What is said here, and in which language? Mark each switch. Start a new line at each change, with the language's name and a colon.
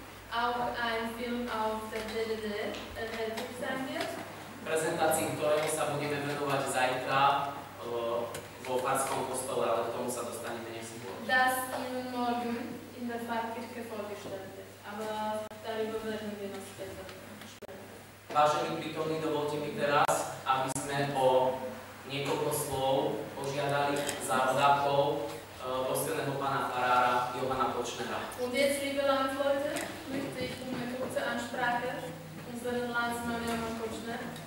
German: auch ein Film auf der DVD erhältlich sein wird.
Slovak: Prezentácii, ktorej sa budeme venovať zajtra vo Farskom kostole, ale k tomu sa dostaneme neskôr.
German: Das in morgen in der Pfarrkirche vorgestellt wird, aber darüber werden wir noch später.
Slovak: Vážení prítomní, dovolte mi teraz, aby sme o niekoľko slov požiadali za rodákov prostredného pána farára Johana Počnera.
German: Und jetzt, liebe Landleute, möchte ich um eine kurze Ansprache unseren Landsmann Johann Počner